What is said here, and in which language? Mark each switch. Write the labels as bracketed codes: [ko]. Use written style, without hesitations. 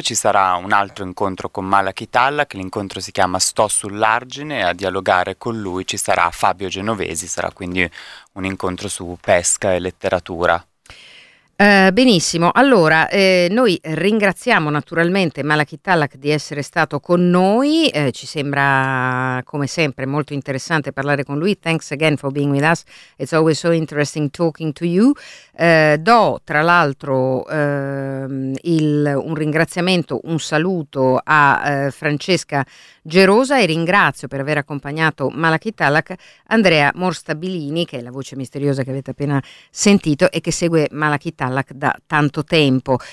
[it] Ci sarà un altro incontro con Malachi Tallak, l'incontro si chiama Sto sull'argine, e a dialogare con lui ci sarà Fabio Genovesi, sarà quindi un incontro su pesca e letteratura. Benissimo, allora noi ringraziamo naturalmente Malachi Tallak di essere stato con noi, ci sembra come sempre molto interessante parlare con lui. [en] Thanks again for being with us, it's always so interesting talking to you. [it] Do tra l'altro un ringraziamento, un saluto a Francesca Gerosa, e ringrazio per aver accompagnato Malachi Tallak Andrea Morstabilini, che è la voce misteriosa che avete appena sentito e che segue Malachi Tallak da tanto tempo.